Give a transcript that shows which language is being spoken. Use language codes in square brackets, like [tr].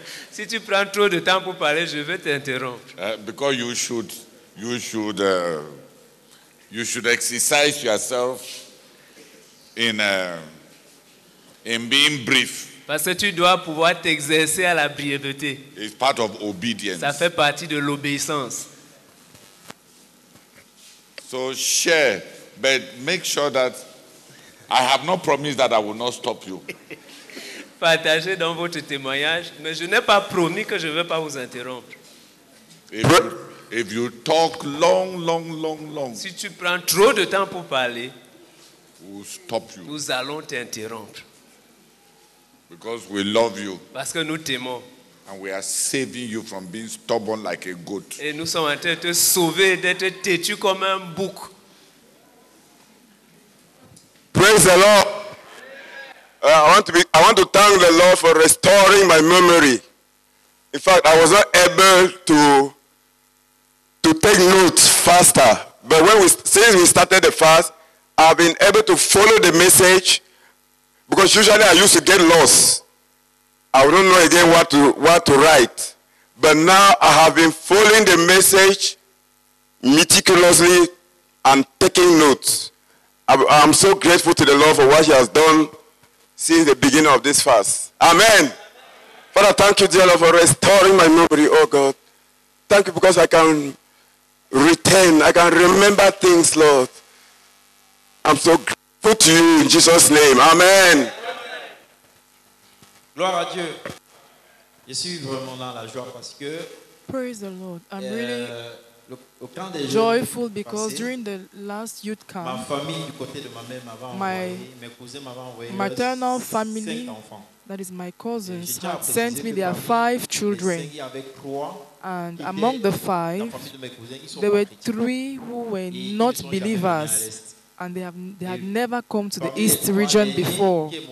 [fr] Si tu prends trop de temps pour parler, je vais t'interrompre. [en] Because you should exercise yourself in being brief. [fr] Parce que tu dois pouvoir t'exercer à la brièveté. [en] It's part of obedience. [fr] Ça fait partie de l'obéissance. [en] So share, but make sure that I have not promised that I will not stop you. [fr] Partagez dans votre témoignage, mais je n'ai pas promis que je ne vais pas vous interrompre. [en] If you talk long, [fr] si tu prends trop de temps pour parler, [en] we'll stop you. [fr] Nous allons t'interrompre. [en] Because we love you. [fr] Parce que nous t'aimons. [en] And we are saving you from being stubborn like a goat. [fr] Et nous sommes en train de te sauver d'être têtu comme un bouc. [en] Praise the Lord. I want to thank the Lord for restoring my memory. In fact, I was not able to take notes faster. But since we started the fast, I've been able to follow the message because usually I used to get lost. I don't know again what to write. But now I have been following the message meticulously and taking notes. I'm so grateful to the Lord for what he has done since the beginning of this fast. Amen. Father, thank you, dear Lord, for restoring my memory, oh God. Thank you because I can retain, I can remember things, Lord. I'm so grateful to you in Jesus' name. Amen. [fr] Gloire à Dieu. Je suis vraiment dans la joie parce que. [en] Praise the Lord. I'm really joyful because during the last youth camp, [fr] ma famille du côté de ma mère m'avait envoyé, mes cousins m'avaient envoyé [en] maternal family, that is my cousins, had sent me their five children. And among the five, there were three who were not believers. And they had never come to the East region before.